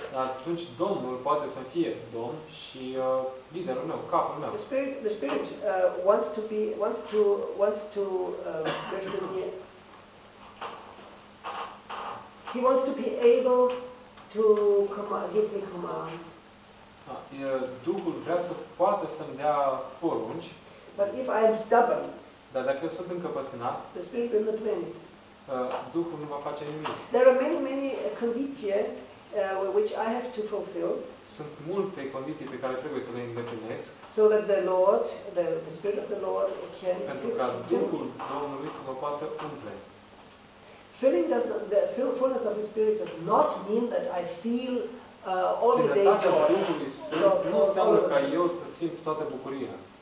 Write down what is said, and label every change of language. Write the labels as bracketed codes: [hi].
[ro] Atunci Domnul poate să fie Domn și liderul meu, capul meu. [en] The spirit wants to be able to give me commands. [ro] Duhul vrea să poată să-mi dea porunci. [en] But if I am stubborn. [ro] Dar dacă eu sunt încăpățânat. [en] The Spirit will not win. [ro] Duhul nu va face nimic. [en] There are many conditio which I have to fulfill. [ro] Sunt multe condiții pe care trebuie să le îndeplinesc. [en] So that the Lord, the Spirit of the Lord can. [ro] Pentru ca Duhul Domnului să mă poată umple. [en] Filling does not, the fullness of the Spirit does not mean that I feel all the day joy. [ro] Plinătatea Duhului Sfânt nu înseamnă ca eu să simt toată bucuria.